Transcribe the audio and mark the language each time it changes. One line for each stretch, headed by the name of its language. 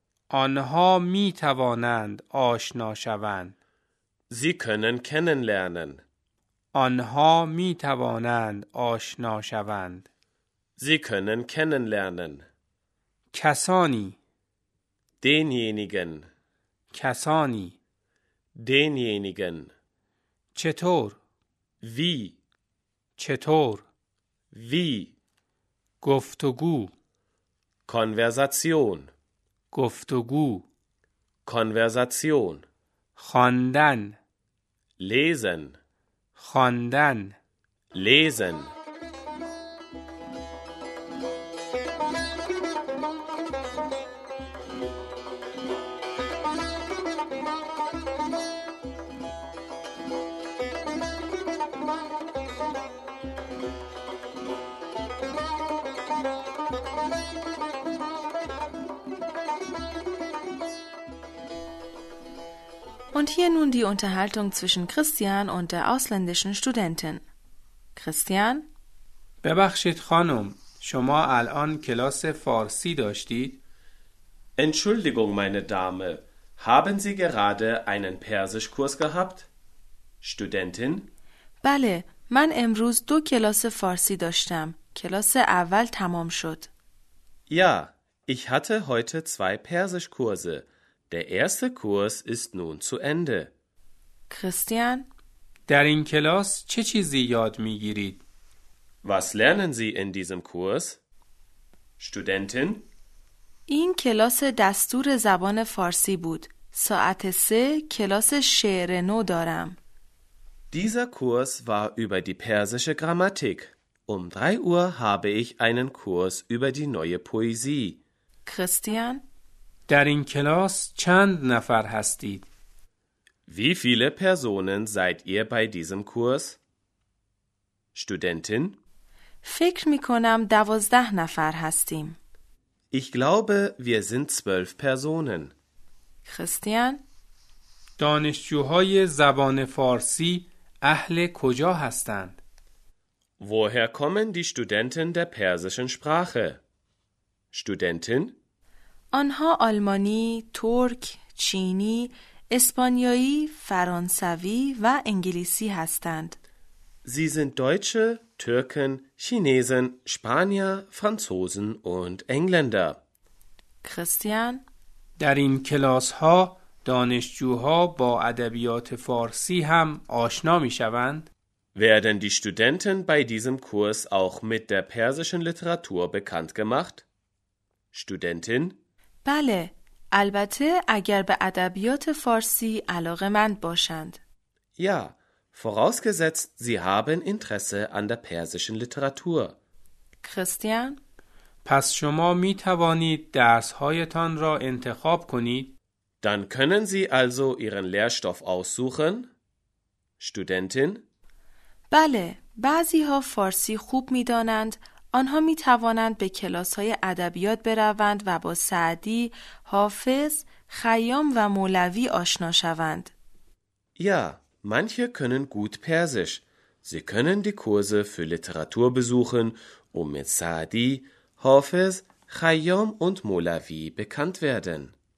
Persian: آنها می توانند آشنا شوند.
German: Sie können kennenlernen.
Persian: آنها می توانند آشنا شوند.
German: Sie können kennenlernen.
Persian: کسانی.
German: Denjenigen.
Persian: کسانی.
German: Denjenigen.
Persian: چطور؟
German: وی.
Persian: چطور؟
German: وی.
Persian: گفتگو.
German: کانورزاسیون.
Persian: گفتگو.
German: کانورزاسیون.
Persian: خواندن.
German: لیزن.
Persian: خواندن.
German: لیزن. Und hier nun die Unterhaltung zwischen Christian und der ausländischen Studentin. Christian?
Persian: ببخشید خانم، شما الان کلاس فارسی داشتید؟
German: Entschuldigung, meine Dame, haben Sie gerade einen Persischkurs gehabt? Studentin?
Persian: بله، من امروز دو کلاس فارسی داشتم. کلاس اول تمام شد.
German: Ja, ich hatte heute zwei Persischkurse. Der erste Kurs ist nun zu Ende. Christian,
Persian: در این کلاس چه چیزی یاد می‌گیرید؟
German: Was lernen Sie in diesem Kurs? Studentin,
Persian: این کلاس دستور زبان فارسی بود. ساعت 3 کلاس شعر نو دارم.
German: Dieser Kurs war über die persische Grammatik. Um 3 Uhr habe ich einen Kurs über die neue Poesie. Christian,
Persian: در این کلاس چند نفر هستید؟
German: Wie viele Personen seid ihr bei diesem Kurs? Studentin?
Persian: فکر میکنم 12 نفر هستیم.
German: Ich glaube, wir sind 12 Personen. Christian?
Persian: دانشجوهای زبان فارسی اهل کجا هستند؟
German: Woher kommen die Studenten der persischen Sprache? Studentin?
Persian: آنها آلمانی، ترک، چینی، اسپانیایی، فرانسوی و انگلیسی هستند.
German: Sie sind Deutsche, Türken, Chinesen, Spanier, Franzosen und Engländer. Christian,
Persian: در این کلاس ها دانشجوها با ادبیات فارسی هم آشنا می شوند؟
German: Werden die Studenten bei diesem Kurs auch mit der persischen Literatur bekannt gemacht? Studentin,
Persian: بله، البته اگر به ادبیات فارسی علاقه‌مند باشند.
German: Ja, vorausgesetzt Sie haben Interesse an der persischen Literatur. Christian,
Persian: پس شما می توانید درس‌هایتان را انتخاب کنید؟
German: Dann können Sie also Ihren Lehrstoff aussuchen. Studentin?
Persian: بله، بعضی ها فارسی خوب می دانند، آنها می توانند به کلاس های ادبیات بروند و با سعدی، حافظ، خیام و مولوی آشنا شوند.
German: یا، manche können gut Persisch. Sie können die Kurse für Literatur besuchen, um mit Sa'di, Hafez, Khayyam und Molavi bekannt werden.